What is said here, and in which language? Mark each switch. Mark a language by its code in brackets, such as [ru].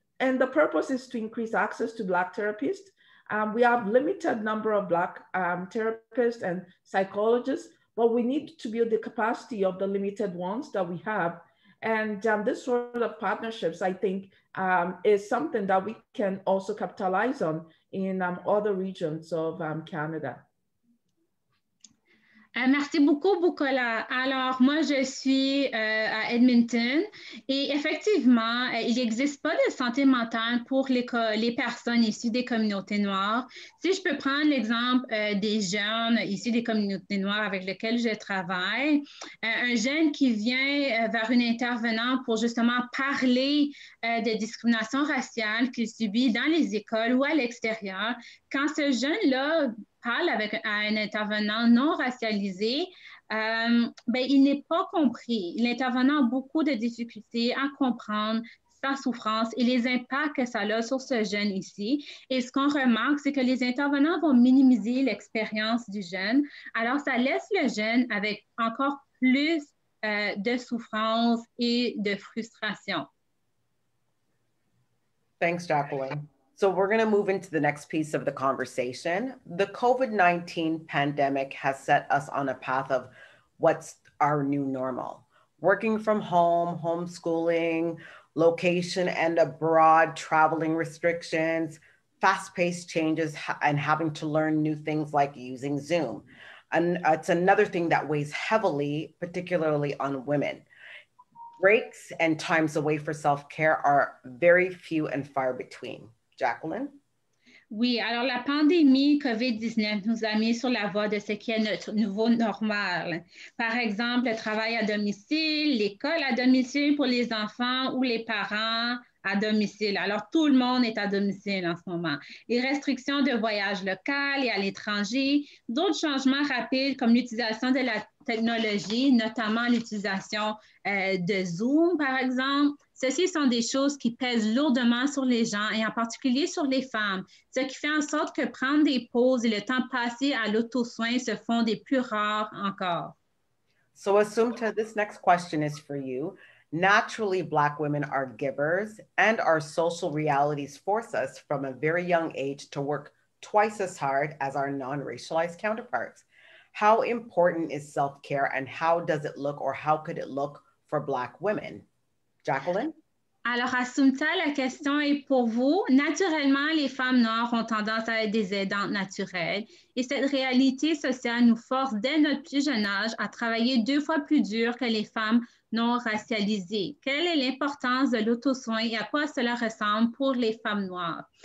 [en] And the purpose is to increase access to Black therapists. We have limited number of Black therapists and psychologists, but we need to build the capacity of the limited ones that we have. And this sort of partnerships, I think, is something that we can also capitalize on in other regions of Canada. [fr] Merci beaucoup, Bukola. Alors, moi, je suis à Edmonton et effectivement, il n'existe pas de santé mentale pour les personnes issues des communautés noires. Si je peux prendre l'exemple des jeunes issus des communautés noires avec lesquels je travaille, un jeune qui vient vers une intervenante pour justement parler de discrimination raciale qu'il subit dans les écoles ou à l'extérieur, quand ce jeune-là parle avec un intervenant non racialisé, il n'est pas compris. L'intervenant a beaucoup de difficultés à comprendre sa souffrance et les impacts que ça a sur ce jeune ici. Et ce qu'on remarque, c'est que les intervenants vont minimiser l'expérience du jeune. Alors, ça laisse le jeune avec encore plus de souffrance et de frustration. [en] Thanks, Jacqueline. So we're going to move into the next piece of the conversation. The COVID-19 pandemic has set us on a path of what's our new normal. Working from home, homeschooling, location and abroad, traveling restrictions, fast-paced changes and having to learn new things like using Zoom. And it's another thing that weighs heavily, particularly on women. Breaks and times away for self-care are very few and far between. Jacqueline? [fr] Oui, alors la pandémie COVID-19 nous a mis sur la voie de ce qui est notre nouveau normal. Par exemple, le travail à domicile, l'école à domicile pour les enfants ou les parents à domicile. Alors, tout le monde est à domicile en ce moment. Les restrictions de voyage local et à l'étranger, d'autres changements rapides comme l'utilisation de la technologie, notamment l'utilisation de Zoom, par exemple. Ceci sont des choses qui pèsent lourdement sur les gens et en particulier sur les femmes, ce qui fait en sorte que prendre des pauses et le temps passé à l'auto-soin se font des plus rares encore. [en] So Assumpta, this next question is for you. Naturally, Black women are givers and our social realities force us from a very young age to work twice as hard as our non-racialized counterparts. How important is self-care and how does it look or how could it look for Black women? Jacqueline? [fr] Alors, Assumpta, la question est pour vous. Naturellement, les femmes noires ont tendance à être des aidantes naturelles et cette réalité sociale nous force dès notre plus jeune âge à travailler deux fois plus dur que les femmes non racialisées. Quelle est l'importance de l'auto-soin et à quoi cela ressemble pour les femmes noires?